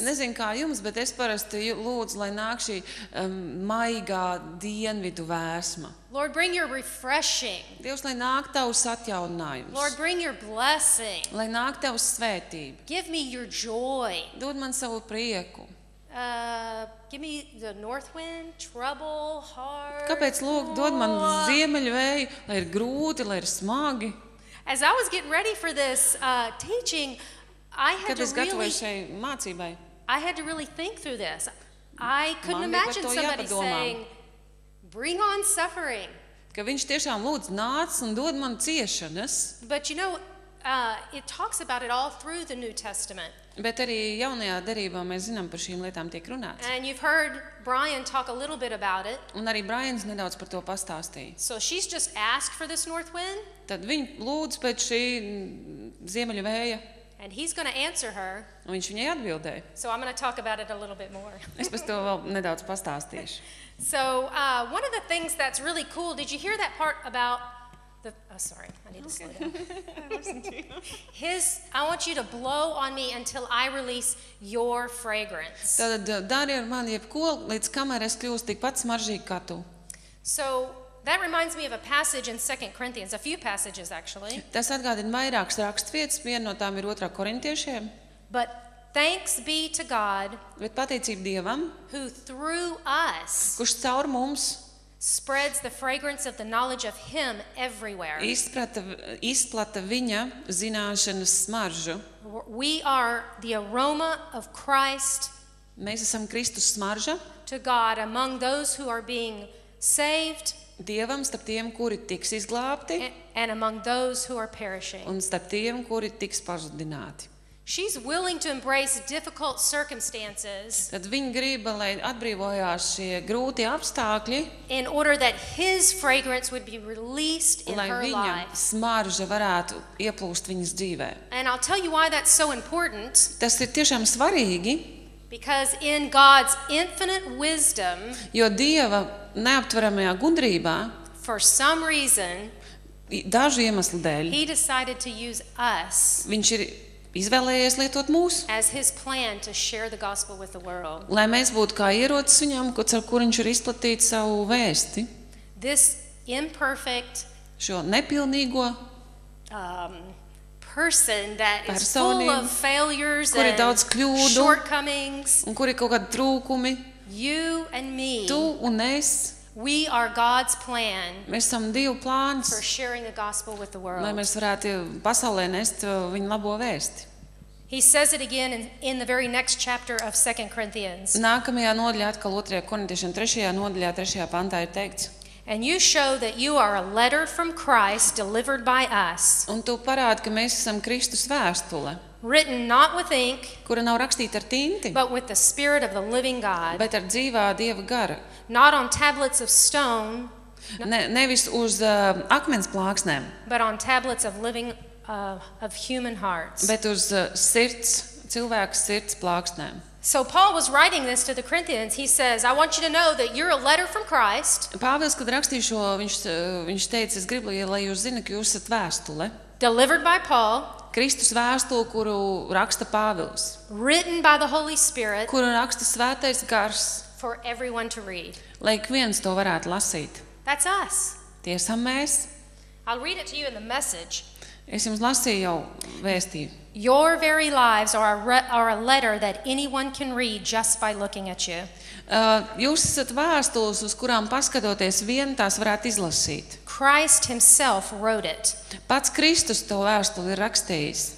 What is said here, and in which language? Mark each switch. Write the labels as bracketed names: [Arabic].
[Latvian] Nezinu kā jums, bet es parasti lūdzu, lai nāk šī maigā dienvidu vēsma. [English] Lord, bring your refreshing. [Latvian] Dievs, lai nāk tavs atjauninājums. [English] Lord, bring your blessing. [Latvian] Lai nāk tavs svētība. [English] Give me your joy. [Latvian] Dod man savu prieku. [English] Give me the north wind, trouble, hard. [Latvian] Kāpēc lūk dod man ziemeļvēju, lai ir grūti, lai ir smagi? [English] As I was getting ready for this teaching, I had [Latvian] Kad [English] to really [Latvian] šai mācībai. [English] I had to really think through this. I couldn't imagine somebody [Latvian] jāpadomā. [English] Saying bring on suffering. [Latvian] Ka viņš tiešām lūdz nāc un dod man ciešanas. [English] But you know, it talks about it all through the New Testament. [Latvian] Bet arī jaunajā derībā mēs zinām par šīm lietām tiek runāts. [English] And you've heard Brian talk a little bit about it. [Latvian] Un arī Brians nedaudz par to pastāstīja. [English] So she's just asked for this north wind. [Latvian] Tad viņa lūdz pēc šī ziemeļu vēja. [English] And he's going to answer her. [Latvian] Un viņš viņai atbildēja. [English] So I'm going to talk about it a little bit more. [Latvian] Es par to vēl nedaudz pastāstīšu. [English] So one of the things that's really cool, did you hear that part about the, oh, sorry, I need to slow down. His, I want you to blow on me until I release your fragrance. [Latvian] Tad dari ar mani jebko, līdz kamēr es kļūstu tik pat smaržīgi kā tu. [English] So that reminds me of a passage in 2 Corinthians, a few passages actually. [Latvian] Tas atgādina vairākas rakstvietas, viena no tām ir 2. Korintiešiem. [English] But thanks be to God, [Latvian] bet pateicība Dievam, [English] who through us, [Latvian] kurš caur mums, [English] spreads the fragrance of the knowledge of him everywhere. [Latvian] Izplata viņa zināšanas smaržu. [English] We are the aroma of Christ. [Latvian] Mēs esam Kristus smarža. [English] To God among those who are being saved. [Latvian] Dievam starp tiem, kuri tiks izglābti. [English] And among those who are perishing. [Latvian] Un starp tiem, kuri tiks pazudināti. [English] She's willing to embrace difficult circumstances. [Latvian] Tad viņa griba, lai atbrīvojās šie grūti apstākļi. [English] In order that his fragrance would be released in her life. [Latvian] Lai viņa smarža varētu ieplūst viņas dzīvē. [English] And I'll tell you why that's so important. [Latvian] Tas ir tiešām svarīgi. [English] Because in God's infinite wisdom. [Latvian] Jo Dieva neaptveramajā gudrībā. [English] For some reason. [Latvian] Dažu iemeslu dēļ. [English] He decided to use us. [Latvian] Viņš ir izvēlējies lietot mūsu. [English] As his plan to share the gospel with the world. [Latvian] Lai mēs būtu kā ierocis viņam, ar kur viņš ir izplatīt savu vēsti. [English] This imperfect [Latvian] šo nepilnīgo [English] person that is full of failures [Latvian] kur ir daudz kļūdu, [English] shortcomings. [Latvian] Un kur ir kaut kādi trūkumi. [English] You and me. [Latvian] Tu un es. [English] We are God's plan. [Latvian] Mēs esam Dieva plāns. [English] For sharing the gospel with the world. [Latvian] Lai mēs varētu pasaulē nest viņa labo vēsti. [English] He says it again in the very next chapter of 2 Corinthians. [Latvian] Nākamajā nodaļā atkal 2. Korintiešiem 3. Nodaļā 3. Pantā ir teikts. [English] And you show that you are a letter from Christ delivered by us. [Latvian] Un tu parādi, ka mēs esam Kristus vēstule. [English] Written not with ink, [Latvian] kura nav rakstīta ar tinti, [English] but with the spirit of the living God. [Latvian] Bet ar dzīvā Dieva gara. [English] Not on tablets of stone, [Latvian] nevis uz akmens plāksnēm, [English] but on tablets of living of human hearts. [Latvian] Bet uz sirds, cilvēka sirds plāksnēm. [English] So Paul was writing this to the Corinthians. He says, I want you to know that you're a letter from Christ. [Latvian] Pāvils, kad rakstīja šo, viņš teica, es gribu, lai jūs zinat, ka jūs esat vēstule. [English] Delivered by Paul. [Latvian] Kristus vēstule, kuru raksta Pāvils. [English] Written by the Holy Spirit. [Latvian] Kuru raksta Svētais Gars. [English] For everyone to read. [Latvian] Lai ik viens to varētu lasīt. [English] That's us. [Latvian] Tie esam mēs. [English] I'll read it to you in the message. [Latvian] Es jums lasīju jau vēstī. [English] Your very lives are a letter that anyone can read just by looking at you. [Latvian] Jūs esat vēstules, uz kurām paskatoties vien tās varētu izlasīt. [English] Christ himself wrote it. [Latvian] Pats Kristus to vēstuli ir rakstījis.